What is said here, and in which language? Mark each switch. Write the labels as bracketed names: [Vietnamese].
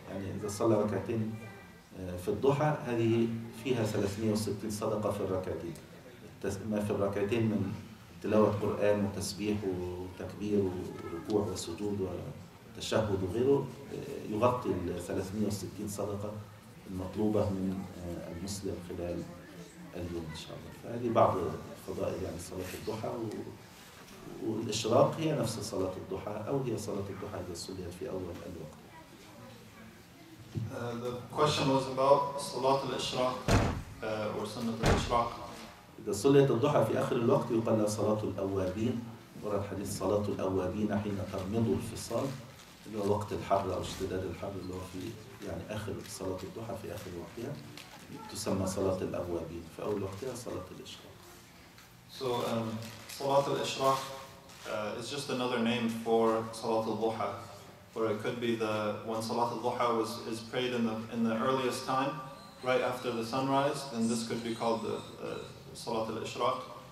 [Arabic] يعني إذا صلى ركعتين في الضحى، هذه فيها 360 صدقة في الركعتين، ما في الركعتين من تلاوة قرآن وتسبيح وتكبير وركوع وسجود وتشهد وغيره، يغطي 360 صدقة المطلوبة من المسلم خلال اليوم إن شاء الله. فهذه بعض فضائل يعني صلاة الضحى، والإشراق هي نفس صلاة الضحى، أو هي صلاة الضحى إذا صليت في أول الوقت. [English] The question was about Salat al-Ishraq or Sunnah al-Ishraq. [Arabic] إذا صليت الضحى في آخر الوقت يقال لها صلاة الأوابين. ورد الحديث: صلاة الأوابين حين ترمض الفصال، اللي هو وقت الحر أو اشتداد الحر، اللي هو في يعني آخر صلاة الضحى في آخر وقتها، تسمى صلاة الأوابين. في أول وقتها صلاة الإشراق. [English] So صلاة الإشراق is just another name for صلاة الضحى. Or it could be the when Salat al-Duha is prayed in the earliest time, right after the sunrise, then this could be called the Salat al-Ishraq.